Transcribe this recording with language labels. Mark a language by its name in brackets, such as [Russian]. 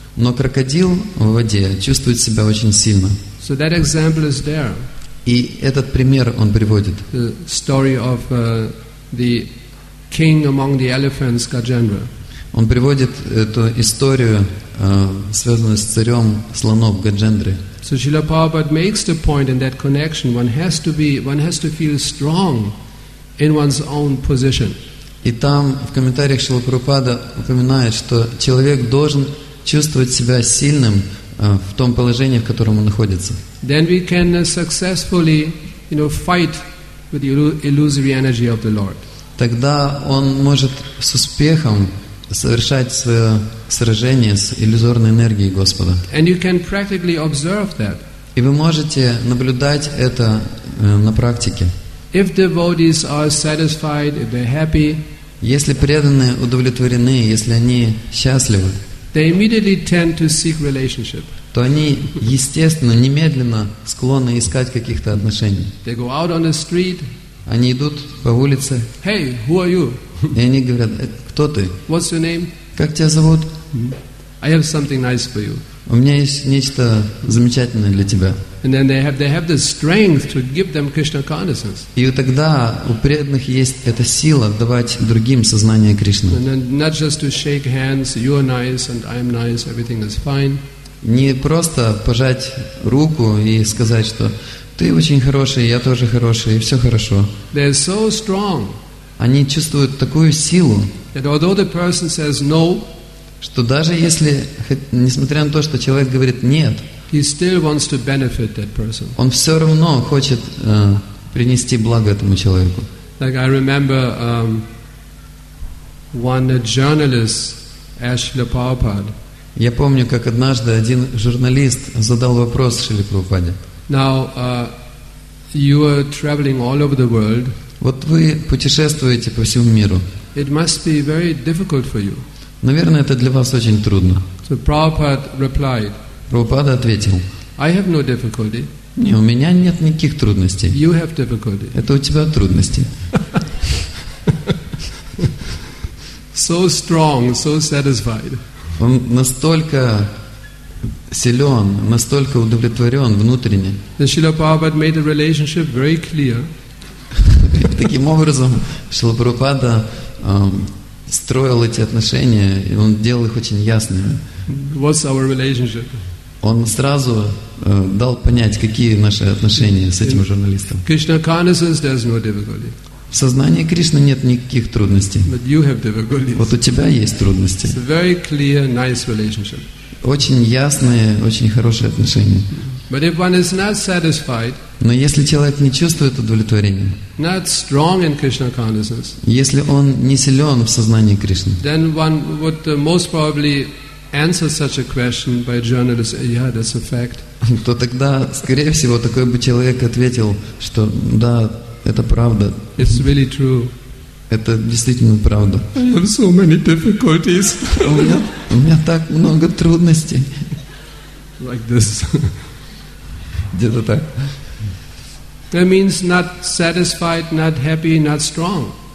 [Russian] Но крокодил в воде чувствует себя очень сильно. [English] So that example is there. [Russian] И этот пример он приводит. [English] The story of the king among the elephants, Gajendra. [Russian] Он приводит эту историю, связанную с царем слонов Гаджендры. [English] So Srila Prabhupada makes the point in that connection. One has to feel strong in one's own position. [Russian] И там в комментариях Шрила Прабхупада упоминает, что человек должен чувствовать себя сильным в том положении, в котором он находится. [English] Then we can successfully, you know, fight with the illusory energy of the Lord. [Russian] Тогда он может с успехом совершать свое сражение с иллюзорной энергией Господа. [English] And you can practically observe that. [Russian] И вы можете наблюдать это на практике. [English] If devotees are satisfied, if they're happy, [Russian] если преданные удовлетворены, если они счастливы, [English] they immediately tend to seek relationship. [Russian] То они, естественно, немедленно склонны искать каких-то отношений. [English] They go out on the street. [Russian] Они идут по улице. [English] Hey, who are you? [Russian] И они говорят, кто ты? [English] What's your name? [Russian] Как тебя зовут? [English] I have something nice for you. [Russian] У меня есть нечто замечательное для тебя. [English] And then they have the strength to give them Krishna consciousness. [Russian] И тогда у преданных есть эта сила давать другим сознание Кришны. [English] And then not just to shake hands, you are nice and I am nice, everything is fine. [Russian] Не просто пожать руку и сказать, что ты очень хороший, я тоже хороший, и все хорошо. [English] They're so strong. [Russian] Они чувствуют такую силу, [English] that although the person says no, [Russian] что даже если, несмотря на то, что человек говорит нет, [English] he still wants to benefit that person. [Russian] Он все равно хочет принести благо этому человеку. [English] Like I remember one journalist asked Srila Prabhupada. [Russian] Я помню, как однажды один журналист задал вопрос Шриле Прабхупаде. [English] Now, you are traveling all over the world. [Russian] Вот вы путешествуете по всему миру. [English] It must be very difficult for you. [Russian] Наверное, это для вас очень трудно. [English] So Prabhupada replied. [Russian] Прабхупада ответил. [English] I have no difficulty. [Russian] Не, у меня нет никаких трудностей. [English] You have difficulty. [Russian] Это у тебя трудности. [English] So strong, so satisfied. [Russian] Он настолько силен, настолько удовлетворен внутренне. [English] And Srila Prabhupada made the relationship very clear. [Russian] Таким образом, Шрила Прабхупада строил эти отношения, и он делал их очень ясными. [English] What's our relationship? [Russian] Он сразу дал понять, какие наши отношения с этим журналистом. [English] Krishna consciousness, there's no difficulty. [Russian] В сознании Кришны нет никаких трудностей. [English] But you have difficulties. [Russian] Вот у тебя есть трудности. [English] It's a very clear, nice relationship. [Russian] Очень ясные, очень хорошие отношения. [English] But if one is not satisfied, [Russian] но если человек не чувствует удовлетворения, [English] not strong in Krishna consciousness, [Russian] если он не силен в сознании Кришны, [English] then one would most probably answer such a question by a journalist, yeah, that's a fact. [Russian] То тогда, скорее всего, такой бы человек ответил, что да, это правда. [English] It's really true. [Russian] Это действительно правда. [English] I have so many difficulties. [Russian] У меня так много трудностей. [English] Like this. [Russian] Где-то так. [English] That means not satisfied, not happy, not strong.